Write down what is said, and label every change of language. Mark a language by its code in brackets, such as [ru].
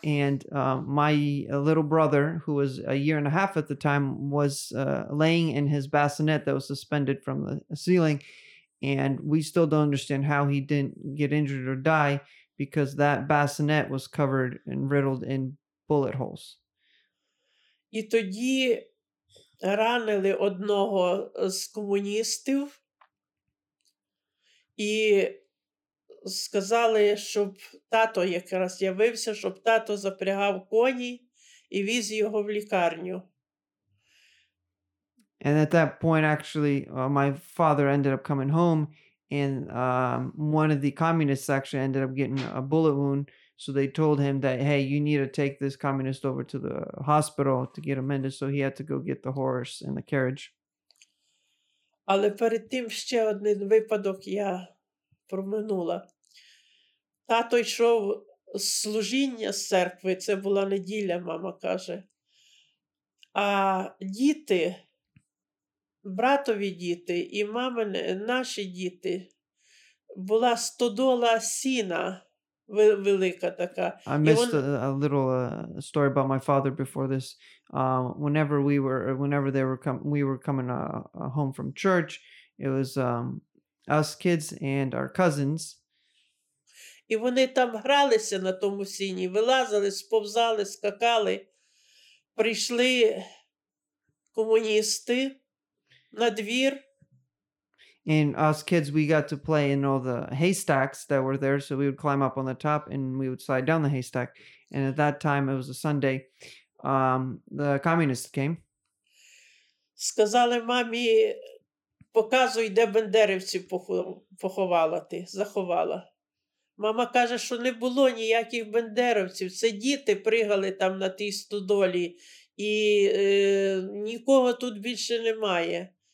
[en] And my little brother, who was a year and a half at the time, was laying in his bassinet that was suspended from the ceiling. And we still don't understand how he didn't get injured or die, because that bassinet was covered and riddled in bullet holes. [uk] І тоді ранили одного з комуністів і сказали, щоб тато якраз явився, щоб тато запрягав коні і віз його в лікарню. [en] And at that point, actually, my father ended up coming home. And one of the communists actually ended up getting a bullet wound. So they told him that, hey, you need to take this communist over to the hospital to get him mended. So he had to go get the horse and the carriage. [uk] Але перед тим ще один випадок я проминула. Тато йшов з служіння з церкви. Це була неділя, мама каже. А діти... Братові діти і мамині, наші діти, була стодола сіна велика така. [en] I missed a little story about my father before this. Whenever they were coming home from church, it was us kids and our cousins. [uk] І вони там гралися на тому сіні, вилазили, сповзали, скакали, прийшли комуністи. [en] And us kids, we got to play in all the haystacks that were there. So we would climb up on the top and we would slide down the haystack. And at that time, it was a Sunday, the communists came. [uk] Сказали мамі, показуй, де бандерівців поховала ти, заховала. Мама каже, що не було ніяких бандерівців. Це діти пригали там на тій стодолі. І нікого тут більше немає.